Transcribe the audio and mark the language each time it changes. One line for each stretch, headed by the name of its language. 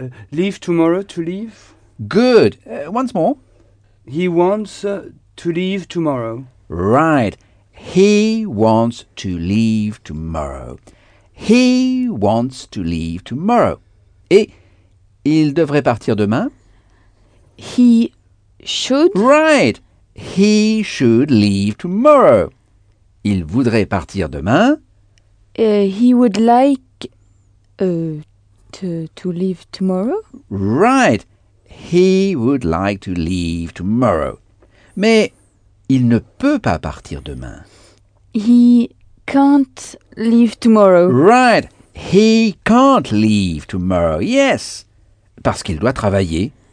English: leave tomorrow, to leave. Good. Once more. He wants to leave tomorrow. Right. He wants to leave tomorrow. He wants to leave tomorrow.
French: Et il devrait partir demain?
English: He should. Right. He should leave tomorrow.
French: Il voudrait partir demain?
English: He would like to leave tomorrow. Right. He would like to leave tomorrow.
French: Mais il ne peut pas partir demain.
English: He can't leave tomorrow. Right. He can't leave tomorrow. Yes.
French: Parce qu'il doit travailler.